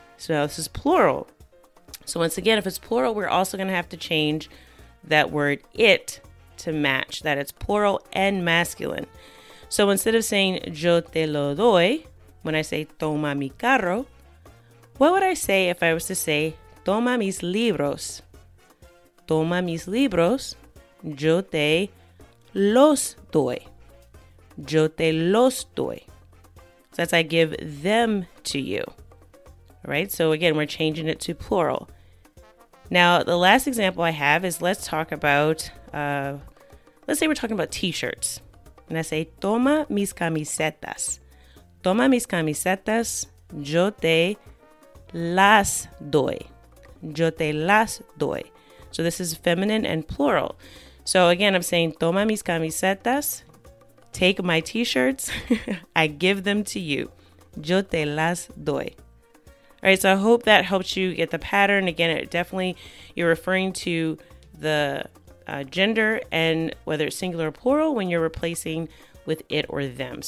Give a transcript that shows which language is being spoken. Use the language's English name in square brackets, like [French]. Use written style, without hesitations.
[English] So this is plural. So once again, if it's plural, we're also going to have to change that word it to match that it's plural and masculine. So instead of saying [Spanish] yo te lo doy, [English] when I say [Spanish] toma mi carro, [English] what would I say if I was to say [Spanish] toma mis libros? Toma mis libros, yo te los doy. Yo te los doy. [English] So that's I give them to you. All right, so again, we're changing it to plural. Now, the last example I have is let's talk about, let's say we're talking about t-shirts. And I say, [Spanish] toma mis camisetas. Toma mis camisetas, yo te las doy. Yo te las doy. [English] So this is feminine and plural. So again, I'm saying, [Spanish] toma mis camisetas, [English] take my t-shirts, I give them to you. [Spanish] Yo te las doy. [English] All right, so I hope that helps you get the pattern. Again, it definitely, you're referring to the gender and whether it's singular or plural when you're replacing with it or them.